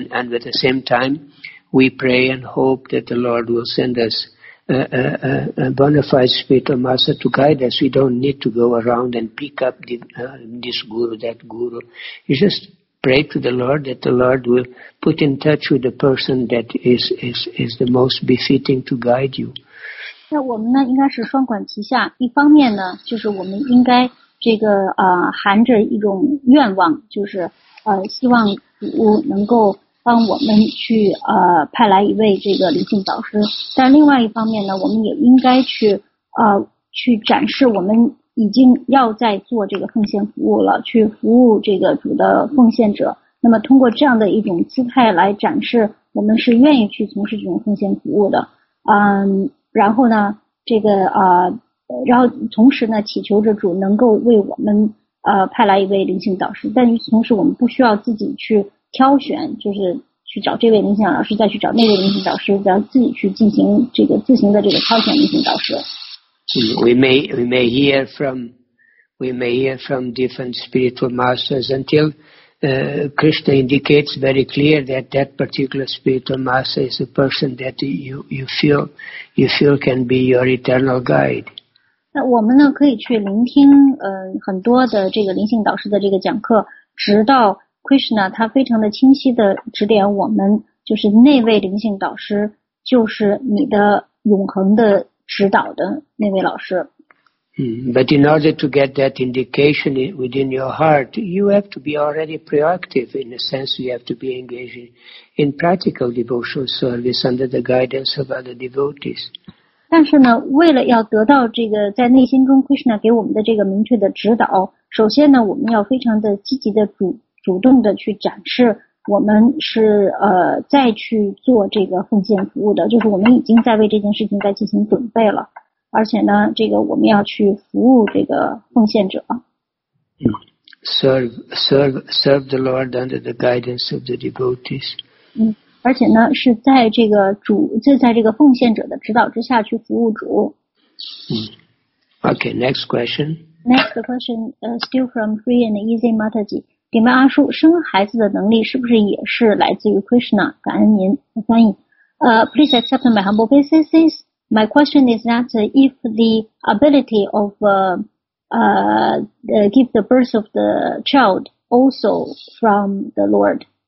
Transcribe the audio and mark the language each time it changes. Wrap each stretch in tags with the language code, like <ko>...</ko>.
<en>And at the same time, we pray and hope that the Lord will send us a bona fide spiritual master to guide us. We don't need to go around and pick up this guru, that guru. You just pray to the Lord that the Lord will put in touch with the person that is the most befitting to guide you.</en> <zh>那我们呢应该是双管齐下，一方面呢就是我们应该这个含着一种愿望，就是希望主能够帮我们去派来一位这个灵性导师，但另外一方面呢，我们也应该去展示我们已经要在做这个奉献服务了，去服务这个主的奉献者。那么通过这样的一种姿态来展示我们是愿意去从事这种奉献服务的，然后呢，这个然后同时呢，祈求着主能够为我们派来一位灵性导师，但与此同时，我们不需要自己去挑选，就是去找这位灵性导师，再去找那位灵性导师，再自己去进行这个自行的这个挑选灵性导师。</zh> <en>We may hear from different spiritual masters until Krishna indicates very clear that that particular spiritual master is a person that you feel can be your eternal guide.</en> <zh>那我们呢可以去聆听很多的这个灵性导师的这个讲课，直到Krishna 他非常的清晰的指点我们，就是那位灵性导师就是你的永恒的指导的那位老师。</zh> <en>But in order to get that indication within your heart, you have to be already proactive. In a sense, you have to be engaged in practical devotional service under the guidance of other devotees.</en> <zh>但是呢，为了要得到这个在内心中 Krishna 给我们的这个明确的指导，首先呢，我们要非常的积极的主动的去展示我们是再去做这个奉献服务的，就是我们已经在为这件事情在进行准备了，而且呢这个我们要去服务这个奉献者。</zh> <en>Serve the Lord under the guidance of the devotees.</en> <zh>而且呢是在这个主就在这个奉献者的指导之下去服务主。</zh> <en>Okay, next question. Next question, still from Free and Easy Mataji.</en> <zh>顶拜阿叔，生孩子的能力是不是也是来自于 Krishna? 感恩您的翻译。</zh> <en>Please accept my humble obeisances. My question is that if the ability of give the birth of the child also from the Lord.</en>